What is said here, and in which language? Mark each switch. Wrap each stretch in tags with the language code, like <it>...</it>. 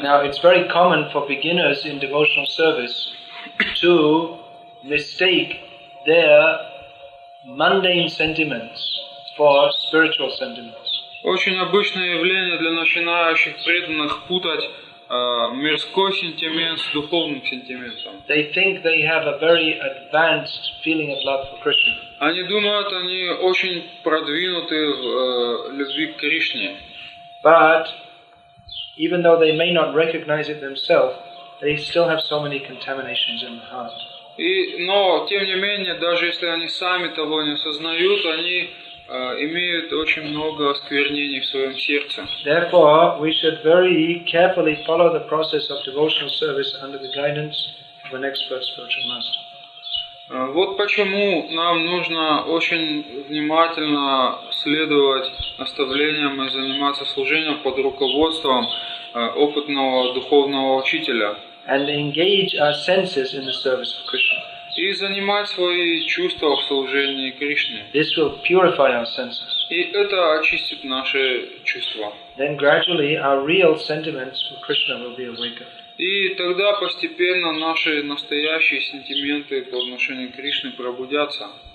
<en>Now it's very common for beginners in devotional service to mistake their mundane sentiments for spiritual sentiments.</en> <ru>Очень обычное явление для начинающих преданных путать мирской сентимент с духовным сентиментом.</ru> <en>They think they have a very advanced feeling of love for Krishna.</en> <ru>Они думают, они очень продвинуты в любви к Кришне.</ru> <en>But even though they may not recognize it themselves, they still have so many contaminations in the heart.</en> <ru>И, но тем не менее, даже если они сами того не осознают, они имеют очень много осквернений в своем сердце.</ru> <en>Therefore, we should very carefully follow the process of devotional service under the guidance of an expert spiritual master.</en> <ru>Вот почему нам нужно очень внимательно следовать наставлениям и заниматься служением под руководством опытного духовного учителя.</ru> <en>And engage our senses in the service of Krishna.</en> <ru>И занимать свои чувства в служении Кришне.</ru> <en>This will purify our senses.</en> <ru>И это очистит наши чувства.</ru> <en>Then gradually our real sentiments for Krishna will be awakened.</en> <ru>И тогда постепенно наши настоящие сентименты по отношению к Кришне пробудятся.</ru>